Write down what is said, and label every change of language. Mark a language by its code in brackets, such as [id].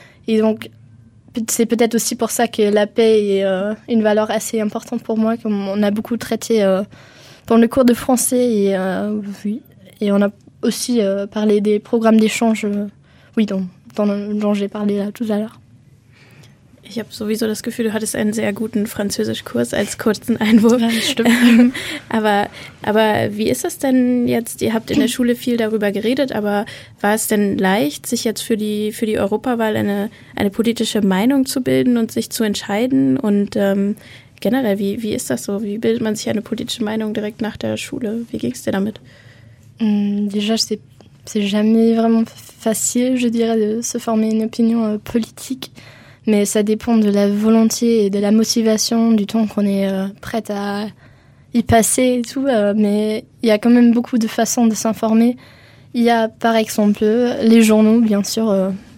[fr] Et donc, c'est peut-être aussi pour ça que la paix est une valeur assez importante pour moi. On a beaucoup traité dans le cours de français. Et on a aussi parlé des programmes d'échange. Dont j'ai parlé là tout à l'heure. [de] Ich habe sowieso das Gefühl, du hattest einen sehr guten Französischkurs als kurzen Einwurf. aber wie ist das denn jetzt? Ihr habt in der Schule viel darüber geredet, aber war es denn leicht, sich jetzt für die Europawahl eine politische Meinung zu bilden und sich zu entscheiden? Und generell, wie ist das so? Wie bildet man sich eine politische Meinung direkt nach der Schule? Wie ging es dir damit? [fr] Déjà, c'est jamais vraiment facile, je dirais, de se former une opinion politique. Mais ça dépend de la volonté et de la motivation, du temps qu'on est prête à y passer et tout. Mais il y a quand même beaucoup de façons de s'informer. Il y a, par exemple, les journaux, bien sûr.